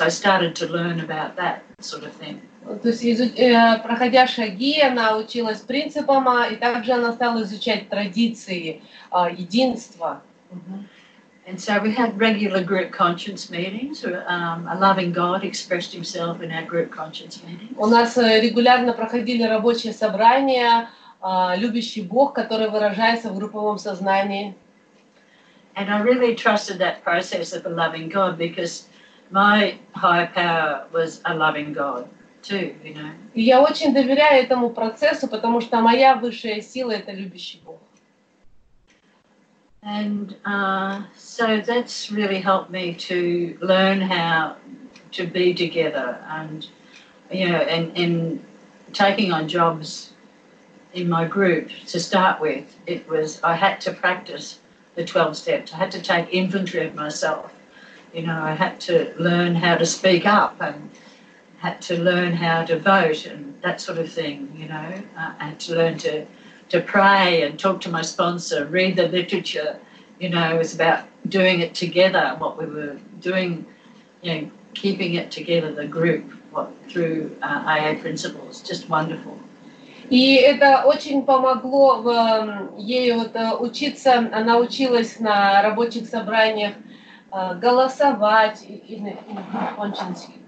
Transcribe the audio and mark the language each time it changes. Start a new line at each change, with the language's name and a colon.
English: So I started to learn about that sort of thing.
Russian: То есть, проходя шаги, она училась принципам, и также она стала изучать традиции единства.
English: And so we had regular group conscience meetings, a loving God expressed himself in our group conscience meetings.
Russian: У нас регулярно проходили рабочие собрания, любящий Бог, который выражается в групповом сознании.
English: And I really trusted that process of a loving God because my higher power was a loving God.
Russian: И я очень доверяю этому процессу, потому что моя высшая сила — это любящий Бог.
English: And so that's really helped me to learn how to be together and, and taking on jobs in my group to start with. It was I had to practice the 12 steps. I had to take inventory of myself. You know, I had to learn how to speak up and had to learn how to vote and that sort of thing, you know. I had to learn to pray and talk to my sponsor, read the literature, you know. It was about doing it together, what we were doing, you know, keeping it together, the group, through AA principles, just wonderful.
Russian: И это очень помогло ей вот учиться, она училась на рабочих собраниях голосовать и кончить.